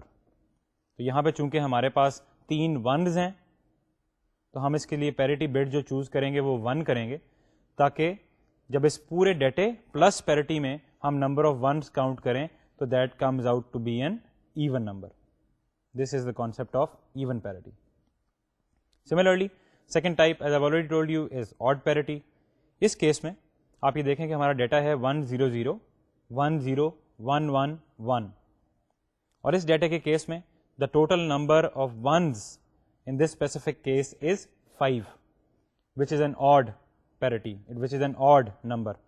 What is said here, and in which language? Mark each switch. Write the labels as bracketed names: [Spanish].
[Urdu] تو یہاں پہ چونکہ ہمارے پاس 3 ونز ہیں تو ہم اس کے لیے پیریٹی بٹ جو چوز کریں گے وہ 1 کریں گے تاکہ جب اس پورے ڈیٹے پلس پیریٹی میں ہم نمبر آف ونز کاؤنٹ کریں تو [English] That comes out to be an even number. This is the concept of even parity. Similarly second type as I already told you is odd parity. [Urdu] اس case میں آپ یہ دیکھیں کہ ہمارا data ہے 1001011 اور اس ڈیٹا کے کیس میں [English] The total number of ones in this specific case is 5, which is an odd parity, which is an odd number.